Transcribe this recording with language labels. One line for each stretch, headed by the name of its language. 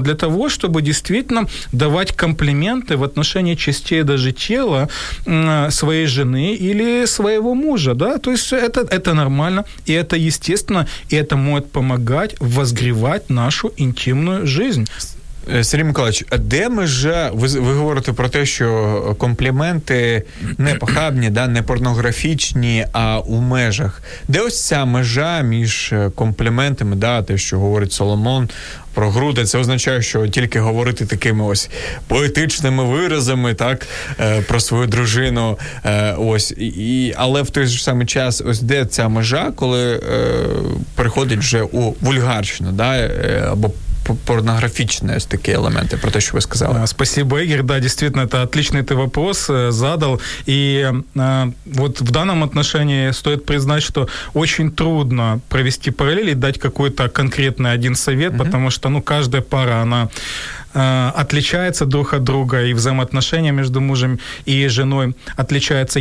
Russian: Для того, чтобы действительно давать комплименты в отношении частей даже тела своей жены или своего мужа, да? То есть это нормально, и это естественно, и это может помогать возгревать нашу интимную жизнь.
Ukrainian: Сергій Миколаївич, а де межа, ви говорите про те, що компліменти не похабні, да, не порнографічні, а у межах. Де ось ця межа між компліментами, да, те, що говорить Соломон про груди, це означає, що тільки говорити такими ось поетичними виразами, так, про свою дружину, ось, і, але в той же самий час, ось де ця межа, коли переходить вже у вульгарщину, да,
Russian: або порнографичные такие элементы, про то, что вы сказали. Спасибо, Игорь. Да, действительно, это отличный ты вопрос задал. И вот в данном отношении стоит признать, что очень трудно провести параллели, дать какой-то конкретный один совет, потому что, ну, каждая пара, она отличается друг от друга, и взаимоотношения между мужем и женой отличаются.